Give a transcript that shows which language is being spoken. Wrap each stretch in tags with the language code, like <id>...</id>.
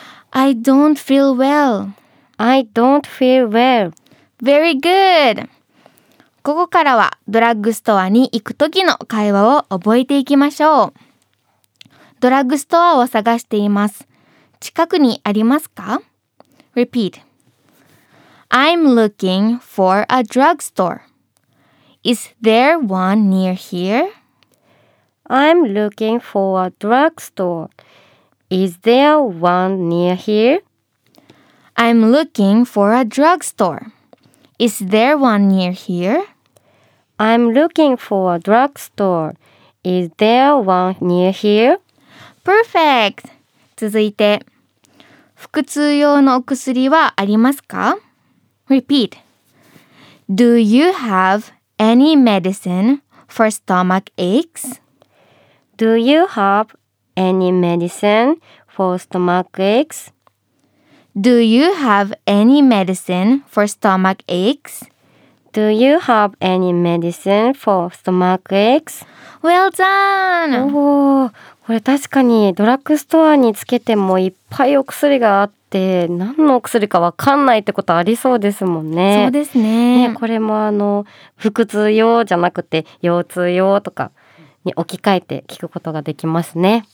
<en>I don't feel well. I don't feel well. Very good.</en> <ja>ここからはドラッグストアに行く時の会話を覚えていきましょう。ドラッグストアを探しています。近くにありますか?</ja> <en>Repeat. I'm looking for a drugstore. Is there one near here? I'm looking for a drugstore. Is there one near here? I'm looking for a drugstore. Is there one near here? I'm looking for a drugstore. Is there one near here? Perfect!</en> <ja>続いて腹痛用のお薬はありますか?</ja> <en>Repeat. Do you have any medicine for stomach aches? Do you have any medicine for stomach aches? Do you have any medicine for stomach aches? Do you have any medicine for stomach aches? Well done!</en> <ja>これ確かにドラッグストアにつけてもいっぱいお薬があって何のお薬かわかんないってことありそうですもんね。そうです ね。これも腹痛用じゃなくて腰痛用とかに置き換えて聞くことができますね。</ja>